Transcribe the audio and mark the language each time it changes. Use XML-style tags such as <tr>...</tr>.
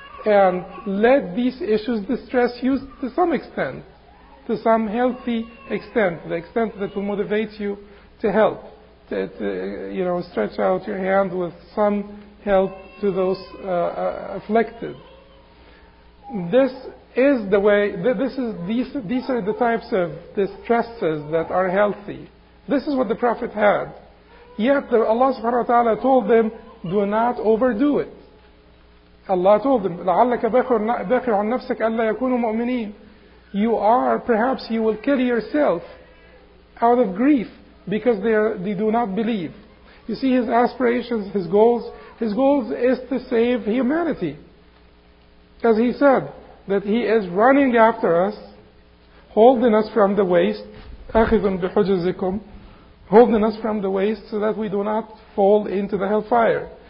<en>And let these issues distress you to some extent, to some healthy extent, the extent that will motivate you to help, to stretch out your hand with some help to those afflicted. These are the types of distresses that are healthy. This is what the Prophet had. Yet Allah subhanahu wa ta'ala told them, do not overdo it. Allah told them,</en> <ar>لَعَلَّكَ بَخِرُ عَنْ نَفْسَكَ أَلَّا يَكُونُوا مُؤْمِنِينَ.</ar> <en>You are, perhaps you will kill yourself out of grief because they do not believe. You see, his aspirations, his goals is to save humanity. As he said, that he is running after us, holding us from the waist,</en> <ar>أَخِذٌ بِحُجَزِكُمْ,</ar> <en>holding us from the waist so that we do not fall into the hellfire.</en>